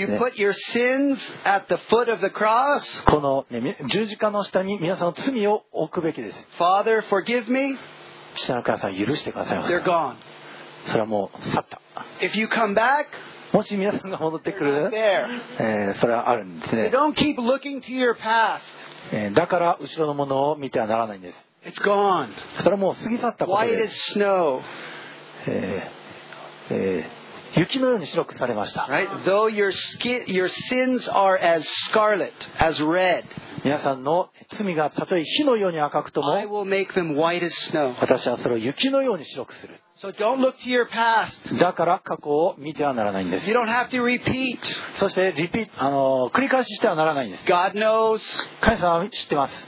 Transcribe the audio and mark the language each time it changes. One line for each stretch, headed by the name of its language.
English: you put your sins at the foot of the cross.
Japanese: この、ね、十字架の下に皆さんの罪を置くべきです。
English: Father, forgive me.
Japanese: 父なる神様、許してください。
English: They're gone.
Japanese: それはもう去った。
English: If you come back,
Japanese: もし皆さんが戻ってくる、
English: they're not there.
Japanese: それはあるんですね。
English: They don't keep looking to your past.
Japanese: だから後ろのものを見てはならないんです。
English: It's gone.
Japanese: それはもう過ぎ去ったことです。
English: White as snow.
Japanese: 雪のように白くされました。
English: Right? Though your sins are as scarlet, as red,
Japanese: 皆さんの罪がたとえ火のように赤くとも、
English: I will make them white as snow.
Japanese: 私はそれを雪のように白くする。
English: So don't look to your past.
Japanese: だから過去を見てはならないんです。
English: You don't have to repeat.
Japanese: そして繰り返ししてはならないんです。
English: God knows.
Japanese: 神様は知ってます。